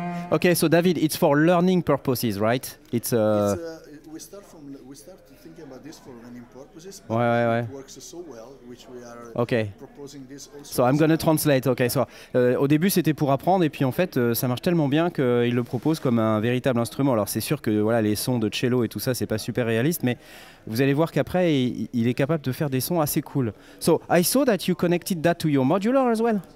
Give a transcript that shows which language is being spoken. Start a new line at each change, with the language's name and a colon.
English: Okay, so David, it's for learning purposes, right? We start to think about this for learning purposes, but ouais. It works so well, which we are proposing this also. So I'm going to translate, okay.
French: So, au début, c'était pour apprendre, et puis en fait, ça marche tellement bien qu'il le propose comme un véritable instrument. Alors, c'est sûr que voilà, les sons de cello et tout ça, c'est pas super réaliste, mais vous allez voir qu'après, il est capable de faire des sons assez cool.
English: So, I saw that you connected that to your modular as well.